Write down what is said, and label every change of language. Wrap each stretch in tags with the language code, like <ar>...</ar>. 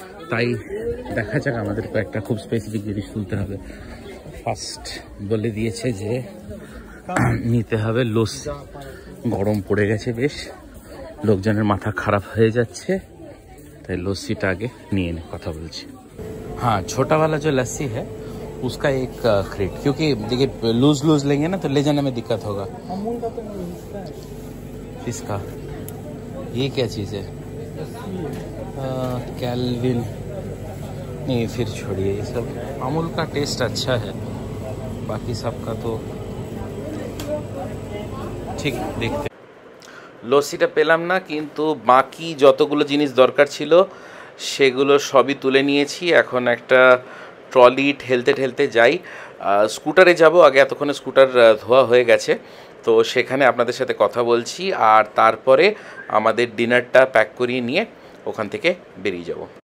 <bn>তাই দেখা যাক, আমাদের কয়েকটা খুব স্পেসিফিক জিনিস তুলতে হবে। ফার্স্ট বলে দিয়েছে যে নিতে হবে লস্যি, গরম পড়ে গেছে বেশ, লোকজনের মাথা খারাপ হয়ে যাচ্ছে, তাই লস্যিটা আগে নিয়ে নে কথা বলছি।</bn> <hi>हाँ छोटा वाला जो लस्सी है उसका एक क्रेट, क्योंकि देखिए लूज लूज लेंगे ना तो ले जाने में दिक्कत होगा। अमूल का तो नहीं, इसका ये क्या चीज़ है, कैल्विन नहीं, फिर छोड़िए ये सब। अमूल का टेस्ट अच्छा है, बाकी सब का तो ठीक, देखते।</hi> <bn>लस्सीटा पेलाम ना, किंतु बाकी जतगुलो जिनिस दरकार छिलो সেগুলো সবই তুলে নিয়েছি, এখন একটা ট্রলি ঠেলতে ঠেলতে যাই, স্কুটারে যাব। আগে এতক্ষণে স্কুটার ধোয়া হয়ে গেছে, তো সেখানে আপনাদের সাথে কথা বলছি, আর তারপরে আমাদের ডিনারটা প্যাক করিয়ে নিয়ে ওখান থেকে বেরিয়ে যাব।</bn>